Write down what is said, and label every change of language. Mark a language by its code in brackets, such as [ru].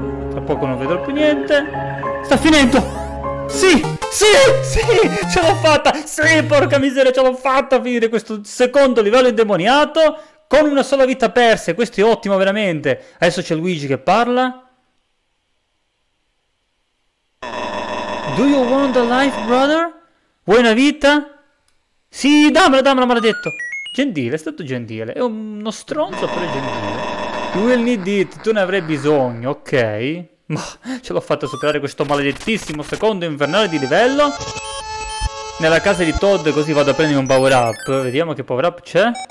[it] Tra poco non vedrò più niente. Sta finendo. Sì, sì, sì, ce l'ho fatta. Sì, porca miseria, ce l'ho fatta a finire questo secondo livello indemoniato con una sola vita persa. Questo è ottimo, veramente. Adesso c'è Luigi che parla. [en] Do you want a life, brother? [it] Vuoi una vita? Sì, dammela, dammela, maledetto. Gentile, è stato gentile. È uno stronzo, però è gentile. You will need it, tu ne avrai bisogno, ok? Ma ce l'ho fatta superare questo maledettissimo secondo infernale di livello. Nella casa di Todd, così vado a prendere un power up. Vediamo che power up c'è.